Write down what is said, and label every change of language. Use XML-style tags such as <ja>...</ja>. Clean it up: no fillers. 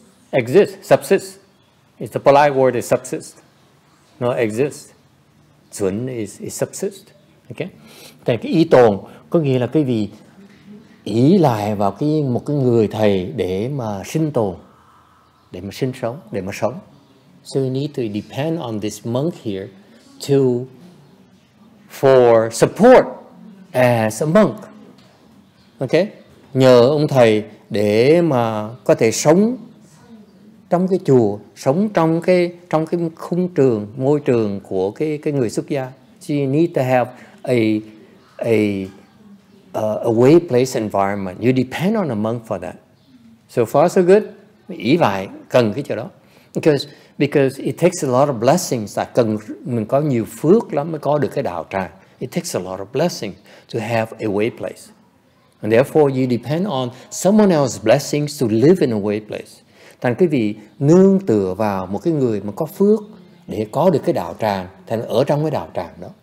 <en>Exist, subsist. It's a polite word, is subsist. No, exist. Chuẩn is subsist. Okay.</en> <vi>Thì cái ý tồn có nghĩa là cái vì ý lại vào cái một cái người thầy để mà sinh tồn, để mà sinh sống, để mà sống.</vi> <en>So you need to depend on this monk here to for support as a monk. Okay?</en> <vi>Nhờ ông thầy để mà có thể sống trong cái chùa, sống trong cái khung trường, môi trường của cái người xuất gia.</vi> <en>So you need to have a way place environment. You depend on a monk for that. So far so good.</en> <vi>Ý vậy cần cái chỗ đó.</vi> <en>Because it takes a lot of blessings.</en> <vi>Là cần mình có nhiều phước lắm mới có được cái đạo tràng.</vi> <en>It takes a lot of blessing to have a way place. And therefore you depend on someone else's blessings to live in a way place.</en> <vi>Thành cái vị nương tựa vào một cái người mà có phước để có được cái đạo tràng, thành ở trong cái đạo tràng đó.</vi>